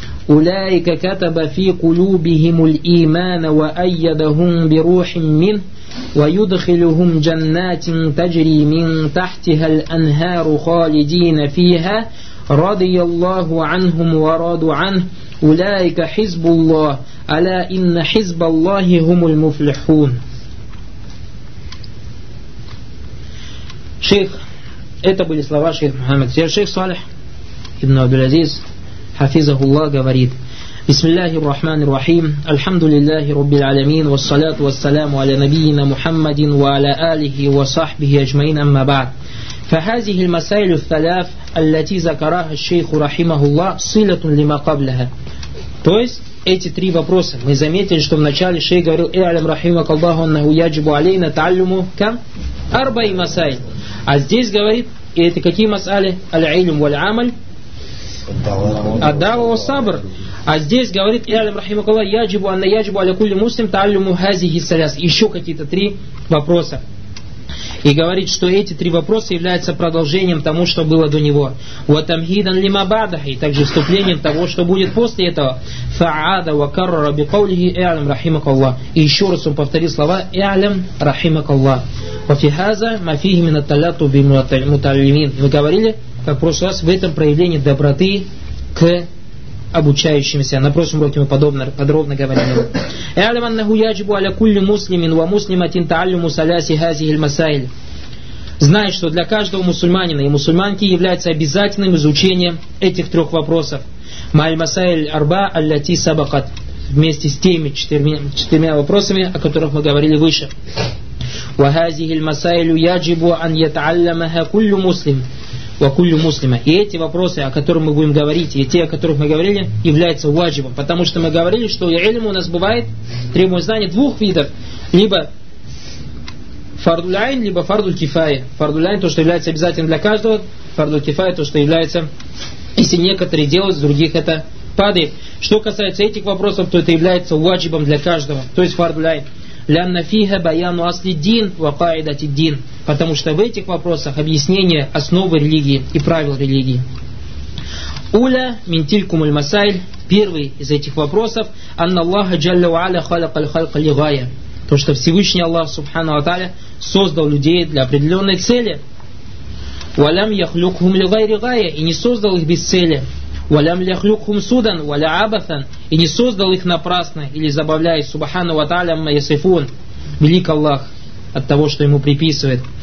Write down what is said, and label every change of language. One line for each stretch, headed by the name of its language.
Arabic: أولئك كتب في قلوبهم الإيمان وأيدهم بروح منه ويدخلهم جنات تجري من تحتها الأنهار خالدين فيها رضي الله عنهم ورضوا عنه أولئك حزب الله ألا إن حزب الله هم المفلحون.
Russian: شيخ، это были слова шейха Мухаммада.
Arabic: Шейх Салих ибн Абдул-Азиз حفظه الله говорит: بسم الله الرحمن الرحيم، الحمد لله رب العالمين، والصلاة والسلام على نبينا محمد وعلى آله وصحبه أجمعين، أما بعد. فهذه المسائل الثلاث التي ذكرها الشيخ رحمه الله صلة لما قبلها.
Russian: То есть эти три вопроса мы заметили, что вначале шейх говорил:
Arabic: اعلم رحمك الله أنه يجب علينا تعلمه كم أربع مسائل.
Russian: А здесь говорит, это какие مسائل؟
Arabic: العلم والعمل. الدعوة والصبر.
Russian: А здесь говорит:
Arabic: اعلم رحمك الله يجب على كل مسلم تعلم هذه الثلاث.
Russian: Еще какие-то три вопроса. И говорит, что эти три вопроса являются продолжением тому, что было до него.
Arabic: وَتَمْهِيدًا لِمَبَعْدَهِ
Russian: И также вступлением того, что будет после этого.
Arabic: فَعَادَ وَكَرَّرَ بِقَوْلِهِ اِعْلَمْ رَحِمَكَ اللَّهِ
Russian: И еще раз он повторил слова:
Arabic: اِعْلَمْ رَحِمَكَ اللَّهِ وَفِهَذَا مَا فِيهِ مِنَ التَّلَّطُ بِمُتَعْلِمِينَ
Russian: Мы говорили, как в прошлый раз, в этом проявлении доброты к обучающимся. На прошлом уроке мы подробно говорили.
Arabic: اعلم انه يجب على كل مسلم ومسلمة تعلم ثلاث هذه المسائل.
Russian: Знай, что для каждого мусульманина и мусульманки является обязательным изучение этих трех вопросов.
Arabic: Маль масаиль арба аллати сабакат.
Russian: Вместе с теми четырьмя вопросами, о которых мы говорили выше.
Arabic: وهذه المسائل يجب ان يتعلمها كل مسلم.
Russian: И эти вопросы, о которых мы будем говорить, и те, о которых мы говорили, являются ваджибом. Потому что мы говорили, что ильм у нас бывает, требует знания двух видов. Либо фардуль-айн, либо фардуль-кифая. Фардуль-айн – то, что является обязательным для каждого. Фардуль-кифая – то, что является, если некоторые делают, с других это падает. Что касается этих вопросов, то это является ваджибом для каждого. То есть фардуль-айн.
Arabic: لأن فيها بيان أصل الدين وقاعدة الدين.
Russian: Потому что в этих вопросах объяснение основы религии и правил религии.
Arabic: أولى من تلك المسائل.
Russian: Первый из этих вопросов.
Arabic: أن الله جل وعلا خلق الخلق لغاية.
Russian: То, что Всевышний Аллах
Arabic: سبحانه وتعالى
Russian: создал людей для определенной цели.
Arabic: ولم يخلقهم لغير غاية.
Russian: И не создал их без цели.
Arabic: ولم يخلقهم سودا ولا عبثا
Russian: и не создал их напрасно или забавляясь.
Arabic: Субхана ва тааля амма ясифун,
Russian: велик Аллах от того, что ему приписывает.